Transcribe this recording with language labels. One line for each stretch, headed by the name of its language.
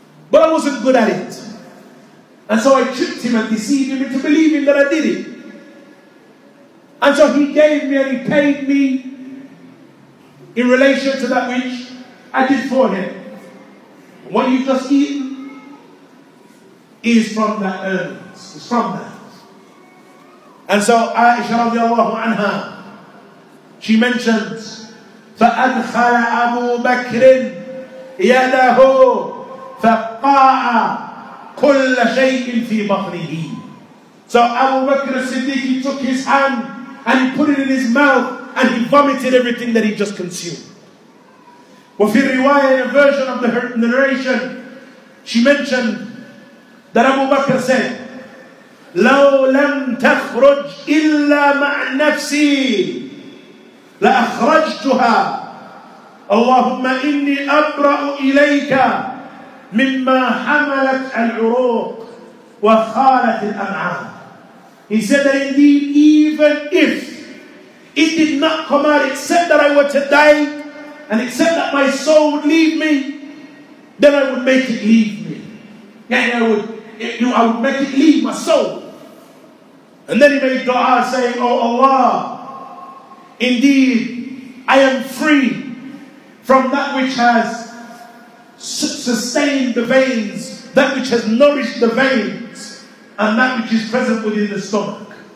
English: But I wasn't good at it. And so I tricked him and deceived him into believing that I did it. And so he gave me and he paid me in relation to that which I did for him. What you've just eaten is from that earnings. It's from that. And so Aisha radiallahu anha, she mentions,
Arabic: فَأَدْخَلَ أَبُو بَكْرٍ يَدَهُ فَقَاءَ كُلَّ شَيْءٍ فِي بَطْنِهِ.
English: So Abu Bakr al-Siddiq, he took his hand and he put it in his mouth and he vomited everything that he just consumed.
Arabic: وَفِي الرِّوَايَةِ,
English: a version of the narration, she mentioned that Abu Bakr said,
Arabic: لَوْ لَمْ تَخْرُجْ إِلَّا مَعْ نَفْسِي لأخرجتها اللهم إني أبرأ إليك مما حملت العروق وخالت الأمعاء.
English: He said that indeed, even if it did not come out except that I were to die and except that my soul would leave me, then I would make it leave me. Yeah, I would make it leave my soul. And then he made dua saying, oh Allah, indeed, I am free from that which has sustained the veins, that which has nourished the veins, and that which is present within the stomach.